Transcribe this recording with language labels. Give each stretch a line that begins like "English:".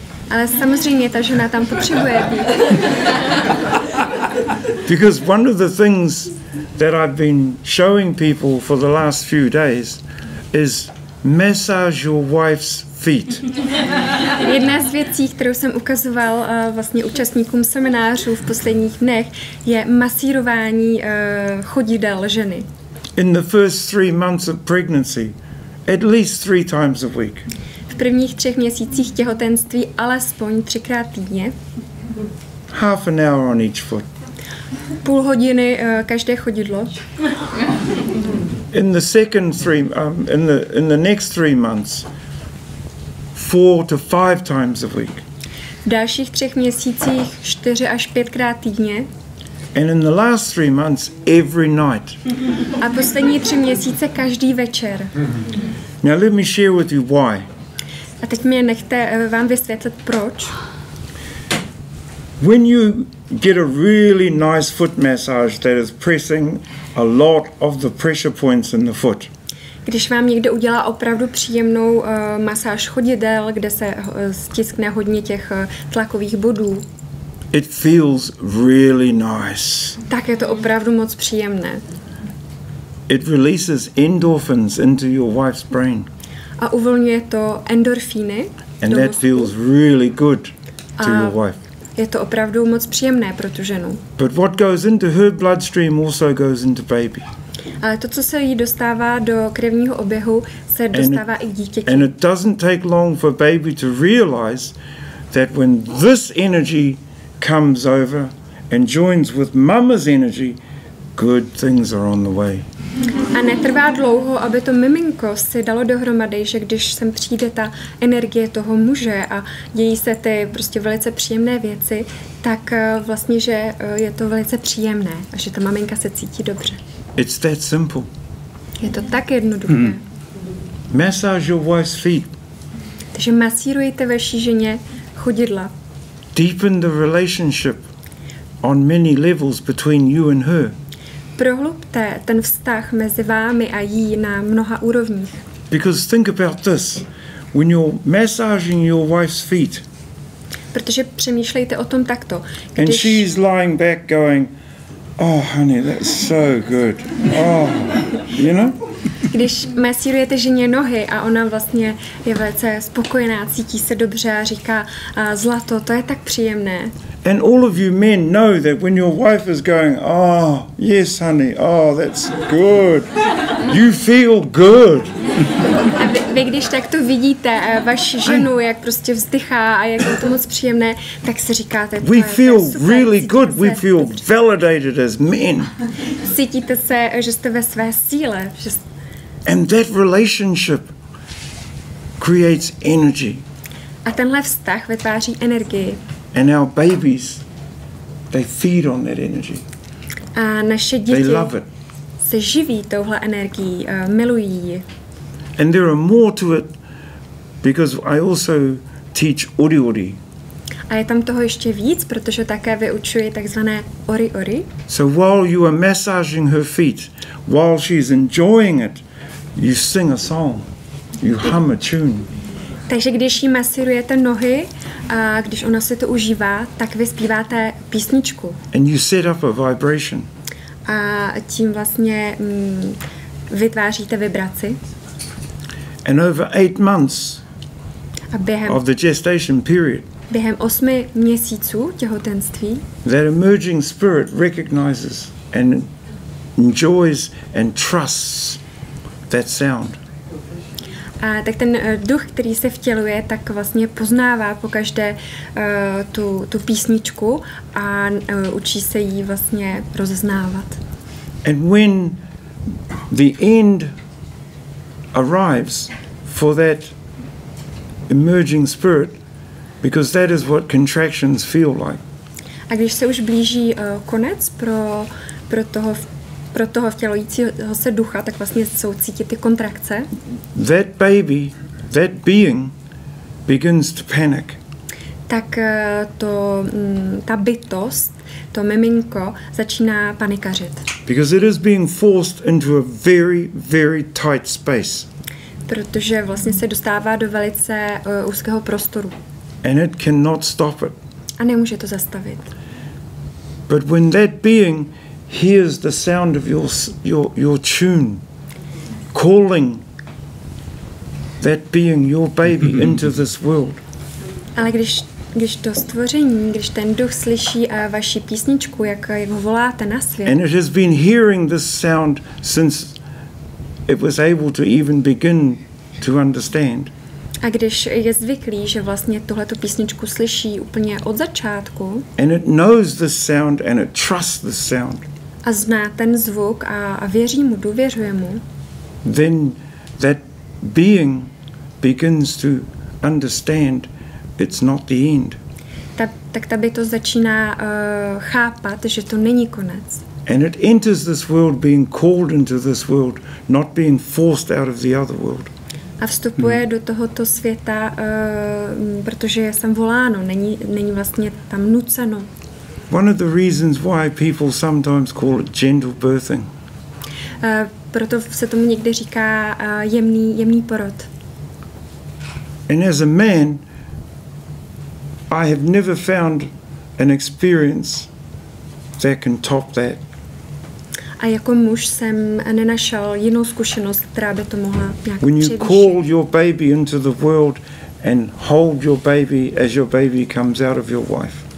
Czech: Ale samozřejmě ta žena tam potřebuje být.
English: Because one of the things that I've been showing people for the last few days is massage your wife's feet.
Czech: Jedna z věcí, kterou jsem ukazoval vlastně účastníkům seminářů v posledních dnech, je masírování chodidel ženy.
English: In the first 3 months of pregnancy, at least 3 times a week.
Czech: V prvních 3 měsících těhotenství alespoň 3x týdně.
English: Half an hour on each foot.
Czech: Půl hodiny každé chodidlo.
English: In the second 3 in the next 3 months 4 to 5 times a week.
Czech: V dalších 3 měsících 4 až 5x týdně.
English: And in the last 3 months every night.
Czech: A poslední 3 měsíce každý večer.
English: Now let me share with you why.
Czech: A teď mě nechte vám vysvětlit proč.
English: When you get a really nice foot massage that is pressing a lot of the pressure points in the foot.
Czech: Když vám někdo udělá opravdu příjemnou masáž chodidel, kde se stiskne hodně těch tlakových bodů.
English: It feels really nice.
Czech: Tak je to opravdu moc příjemné.
English: It releases endorphins into your wife's brain.
Czech: A uvolňuje to endorfíny.
English: And that feels really good to your wife.
Czech: Je to opravdu moc příjemné pro tu ženu.
English: But what goes into her bloodstream also goes into baby.
Czech: Ale to, co se jí dostává do krevního oběhu, se dostává i dítěti.
English: And it doesn't take long for baby to realize that when this energy comes over and joins with mama's energy, good things are on the way.
Czech: A netrvá dlouho, aby to miminko si dalo dohromady, že když sem přijde ta energie toho muže a dějí se ty prostě velice příjemné věci, tak vlastně, že je to velice příjemné a že ta maminka se cítí dobře.
English: It's that simple.
Czech: Je to tak jednoduché. Mm.
English: Massage your wife's feet.
Czech: Takže masírujte vaší ženě chodidla.
English: Deepen the relationship on many levels between you and her.
Czech: Prohlubte ten vztah mezi vámi a jí na mnoha úrovních.
English: Because think about this. When you're massaging your wife's feet.
Czech: Protože přemýšlejte o tom takto. Když
English: and she's lying back going, oh honey, that's so good. Oh, you know?
Czech: Když masírujete ženě nohy a ona vlastně je velice spokojená, cítí se dobře a říká zlato, to je tak příjemné.
English: And all of you men know that when your wife is going, oh, yes, honey, oh, that's good. You feel good.
Czech: A vy když takto vidíte vaši ženu, jak prostě vzdychá a jak je to moc příjemné, tak si říkáte,
English: we feel really good. We feel validated as men.
Czech: Cítíte se, že jste ve své síle.
English: And that relationship creates energy.
Czech: A tenhle vztah vytváří energii.
English: And our babies, they feed on that energy.
Czech: A naše děti,
English: they love it.
Czech: Se živí touhle energií, milují ji.
English: And there are more to it because I also teach ori ori.
Czech: A je tam toho ještě víc, protože také vyučuji takzvané ori ori.
English: So while you are massaging her feet, while she's enjoying it, you sing a song, you hum a tune.
Czech: Takže když jí masírujete nohy a když ona si to užívá, tak vy zpíváte písničku.
English: And you set up a vibration.
Czech: A tím vlastně vytváříte vibraci.
English: And over 8 months
Czech: a během
English: of the gestation period.
Czech: během 8 měsíců těhotenství.
English: That emerging spirit recognizes and enjoys and trusts that sound.
Czech: A tak ten duch, který se vtěluje, tak vlastně poznává pokaždé tu písničku a učí se jí vlastně rozeznávat.
English: And when the end arrives for that emerging spirit, because that is what contractions feel like.
Czech: A když se už blíží konec pro toho vtělujícího se ducha, tak vlastně jsou cítit ty kontrakce.
English: That baby, that being begins to panic.
Czech: Tak to ta bytost, to miminko začíná panikařit.
English: Because it is being forced into a very, very tight space.
Czech: Protože vlastně se dostává do velice úzkého prostoru.
English: And it cannot stop it.
Czech: A nemůže to zastavit.
English: But when that being hears the sound of your tune, calling that being, your baby, into this world.
Czech: Ale když to stvoření, když ten duch slyší vaši písničku, jak ho voláte na svět.
English: And it has been hearing this sound since it was able to even begin to understand.
Czech: A když je zvyklý, že vlastně tuhletu písničku slyší úplně od začátku.
English: And it knows this sound and it trusts this sound.
Czech: A zná ten zvuk a věří mu, důvěřuje mu.
English: Then that being begins to understand it's not the end.
Czech: Tak ta bytost začíná chápat, že to není konec.
English: And it enters this world being called into this world, not being forced out of the other world.
Czech: A vstupuje do tohoto světa, protože je sem voláno, není vlastně tam nuceno.
English: One of the reasons why people sometimes call it gentle birthing.
Czech: Proto se tomu někdy říká jemný porod.
English: And as a man, I have never found an experience that can top that.
Czech: A jako muž jsem nenašel jinou zkušenost, která by to mohla nějak
English: When you
Czech: převýšit.
English: Call your baby into the world and hold your baby as your baby comes out of your wife.